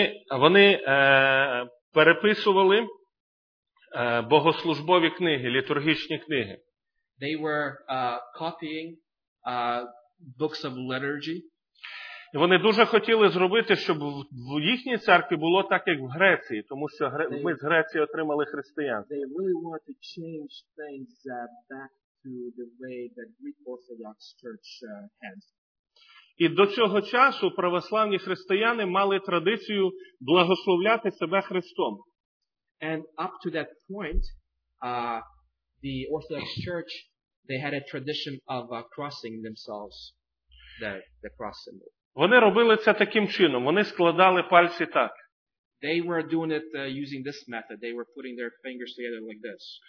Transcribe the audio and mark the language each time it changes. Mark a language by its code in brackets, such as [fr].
[uk] Вони переписували богослужбові книги, літургічні книги. [en] They were copying books of liturgy. [uk] Вони дуже хотіли зробити, щоб в їхній церкві було так, як в Греції, тому що ми з Греції отримали християнство. [en] They really wanted to change things back to the way the Greek Orthodox Church had. [uk] І до цього часу православні християни мали традицію благословляти себе Христом. [en] And up to that point, the Orthodox Church, they had a tradition of crossing themselves, the cross symbol. [uk] Вони робили це таким чином. Вони складали пальці так. [en] They were doing it using this method. They were putting their fingers together like this.